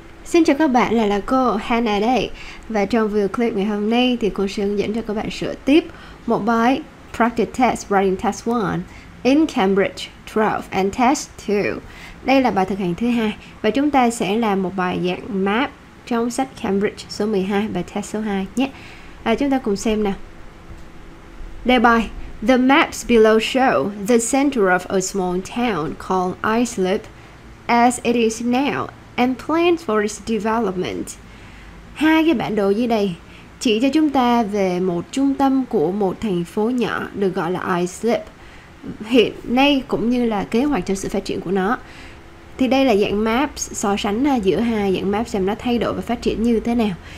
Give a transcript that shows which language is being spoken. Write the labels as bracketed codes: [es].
[vi] Xin chào các bạn, lại là cô Hannah đây. Và trong video clip ngày hôm nay thì cô sẽ hướng dẫn cho các bạn sửa tiếp một bài Practice Test Writing Test 1 in Cambridge 12 and Test 2. Đây là bài thực hành thứ hai và chúng ta sẽ làm một bài dạng map trong sách Cambridge số 12 và Test số 2 nhé. Chúng ta cùng xem nào. Đề bài: [en] The maps below show the center of a small town called Islip as it is now and plans for its development. [vi] Hai cái bản đồ dưới đây chỉ cho chúng ta về một trung tâm của một thành phố nhỏ được gọi là Islip hiện nay cũng như là kế hoạch cho sự phát triển của nó. Thì đây là dạng map so sánh giữa hai dạng map xem nó thay đổi và phát triển như thế nào.